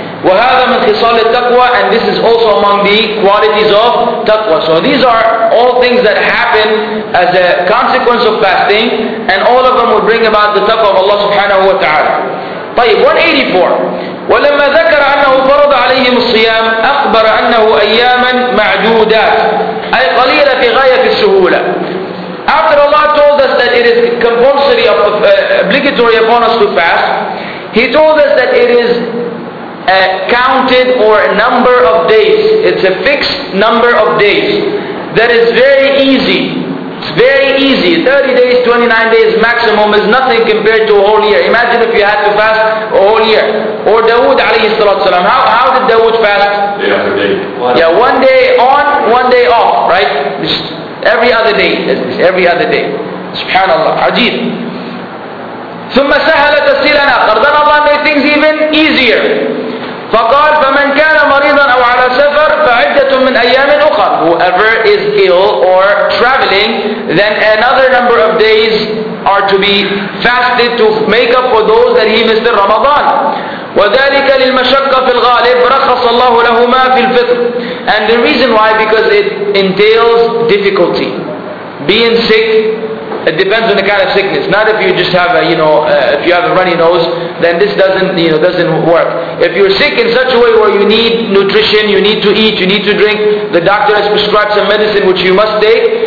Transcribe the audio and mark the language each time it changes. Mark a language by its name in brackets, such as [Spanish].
[Arabic] وهذا من خصال التقوى, [English] and this is also among the qualities of taqwa. So these are all things that happen as a consequence of fasting, and all of them will bring about the taqwa of Allah subhanahu wa ta'ala. [Arabic] طيب, 184. ولما ذكر أنه فرض عليهم الصيام أخبر أنه أياما معدودات أي قليلة في غاية السهولة. [English] After Allah told us that it is compulsory of obligatory upon us to fast, He told us that it is a counted or number of days. It's a fixed number of days that is very easy. It's very easy. 30 days, 29 days maximum is nothing compared to a whole year. Imagine if you had to fast a whole year. Or Dawood alayhi salatu salam. How did Dawood fast? Day after day. One day on, one day off, right? Every other day. Every other day. Subhanallah. Ajeeb. [Arabic] ثم سهل تسهيلنا. [English] Then Allah made things even easier. [Arabic] فقال فمن كان مريضا أو على سفر فعدة من أيام أخرى. [English] Whoever is ill or traveling, then another number of days are to be fasted to make up for those that he missed in Ramadan. [Arabic] وذلك للمشقة في الغالب رخص الله لهما في الفطر. [English] And the reason why, because it entails difficulty. Being sick, it depends on the kind of sickness. Not if you just have a, you know, if you have a runny nose, then this doesn't work. If you're sick in such a way where you need nutrition, you need to eat, you need to drink, the doctor has prescribed some medicine which you must take.